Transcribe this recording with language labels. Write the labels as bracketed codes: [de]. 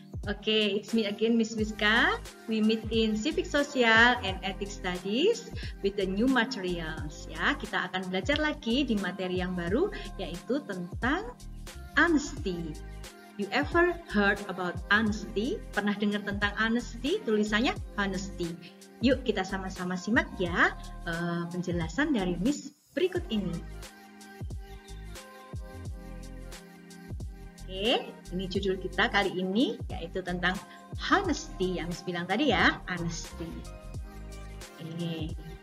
[en] Okay, it's me again, Miss Wiska. We meet in Civic Social and Ethics Studies with the new materials. [id] Ya, kita akan belajar lagi di materi yang baru, yaitu tentang honesty. [en] You ever heard about honesty? [id] Pernah dengar tentang honesty? Tulisannya honesty. Yuk kita sama-sama simak ya penjelasan dari Miss berikut ini. Oke, ini judul kita kali ini yaitu tentang honesty yang Miss bilang tadi ya, honesty. Oke.